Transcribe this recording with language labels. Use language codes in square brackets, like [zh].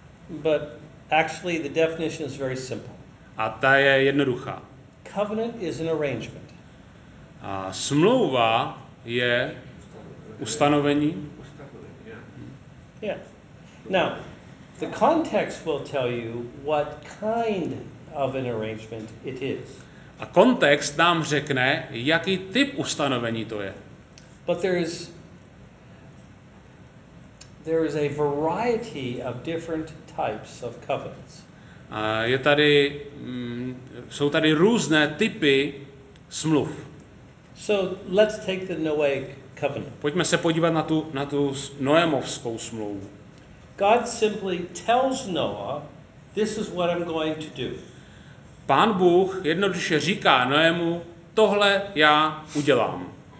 [en] But actually the definition is very simple. [cs] A ta je jednoduchá. [en] Covenant is an arrangement. [cs] A smlouva je ustanovení. Yeah. [en] Now, the context will tell you what kind of an arrangement it is. [cs] A kontext nám řekne, jaký typ ustanovení to je. [en] But there is a variety of different types of covenants. [cs] A je tady jsou tady různé typy smluv. [en] So let's take the Noahic covenant. [cs] Pojďme se podívat na tu Noémovskou smlouvu. [en] God simply tells Noah, this is what I'm going to do. [cs] Pán Bůh jednoduše říká Noému, tohle já udělám.